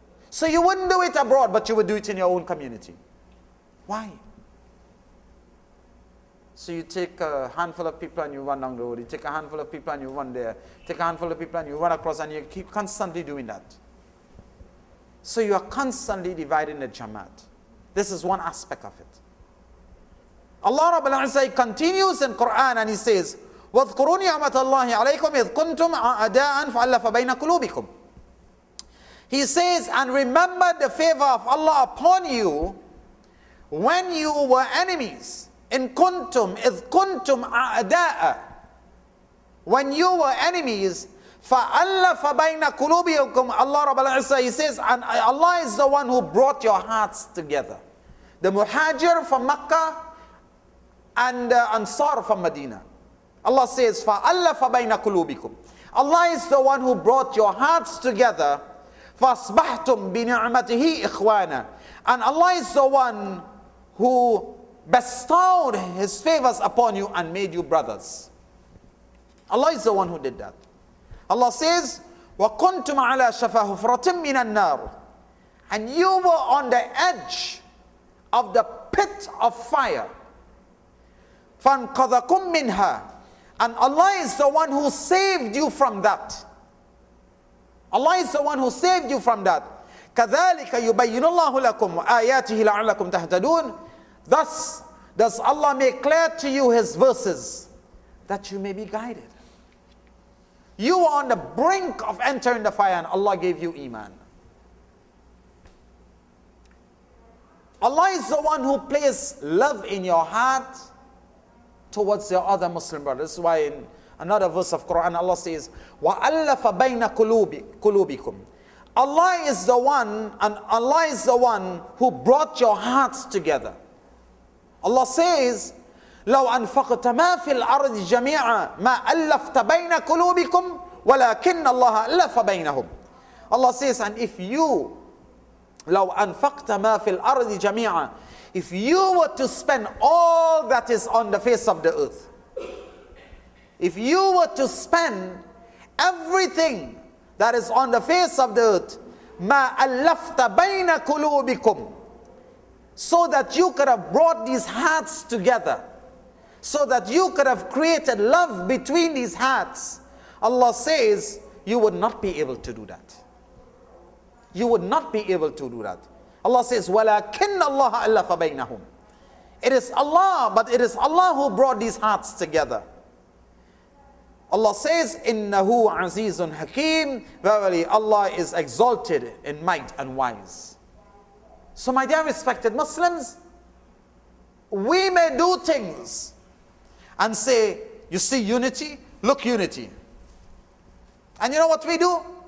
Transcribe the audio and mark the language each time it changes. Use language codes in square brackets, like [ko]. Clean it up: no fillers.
[en] So you wouldn't do it abroad, but you would do it in your own community. Why? So you take a handful of people and you run down the road. You take a handful of people and you run there. Take a handful of people and you run across and you keep constantly doing that. So you are constantly dividing the Jamaat. This is one aspect of it. Allah Rabbul Izzah continues in Quran and he says, [ar] وَذْكُرُوا نِعْمَةَ اللَّهِ عَلَيْكُمْ إِذْ كُنْتُمْ أَعْدَاءً فَأَلَّفَ بَيْنَ قُلُوبِكُمْ. [en] He says, and remember the favor of Allah upon you when you were enemies. [ar] إِنْ كُنْتُمْ إِذْ كُنْتُمْ أَعْدَاءً. [en] When you were enemies, [ar] فَأَلَّفَ بَيْنَ قُلُوبِكُمْ. [en] Allah Rabbul Izzah, he says, and Allah is the one who brought your hearts together. The Muhajir from Makkah and the Ansar from Medina. Allah says, [ar] فَأَلَّفَ بَيْنَ قُلُوبِكُمْ. [en] Allah is the one who brought your hearts together. [ar] فَأَصْبَحْتُمْ بِنِعْمَتِهِ إِخْوَانًا. [en] And Allah is the one who bestowed his favors upon you and made you brothers. Allah is the one who did that. Allah says, [ar] وَكُنْتُمْ عَلَى شَفَى حُفْرَةٍ مِّنَ النَّارِ. [en] And you were on the edge of the pit of fire. [ar] فَانْقَذَكُمْ مِّنْهَا. [en] And Allah is the one who saved you from that. Allah is the one who saved you from that. [ar] كَذَلِكَ يُبَيِّنُ اللَّهُ لَكُمْ آيَاتِهِ لَعَلَّكُمْ تَهْتَدُونَ. [en] Thus does Allah make clear to you his verses that you may be guided. You were on the brink of entering the fire and Allah gave you iman. Allah is the one who placed love in your heart towards your other Muslim brothers. This is why in another verse of Quran, Allah says, [ar] وَأَلَّفَ بَيْنَ قُلُوبِكُمْ. [en] Allah is the one, and Allah is the one who brought your hearts together. Allah says, [ar] لو أنفقت ما في الأرض جميعا ما ألفت بين قلوبكم ولكن الله ألف بينهم. [en] Allah says, and if you, [ar] لو أنفقت ما في الأرض جميعا, [en] if you were to spend all that is on the face of the earth, If you were to spend everything that is on the face of the earth, [ar] ma allafta bayna qulubikum, [en] so that you could have brought these hearts together, so that you could have created love between these hearts, Allah says, you would not be able to do that. You would not be able to do that. Allah says, [ar] وَلَكِنَّ اللَّهَ أَلَّفَ بَيْنَهُمْ. [en] It is Allah, but it is Allah who brought these hearts together. Allah says, [ar] إِنَّهُ عَزِيزٌ حَكِيمٌ. [en] Verily, Allah is exalted in might and wise. So my dear respected Muslims, we may do things and say, you see unity? Look unity. And you know what we do?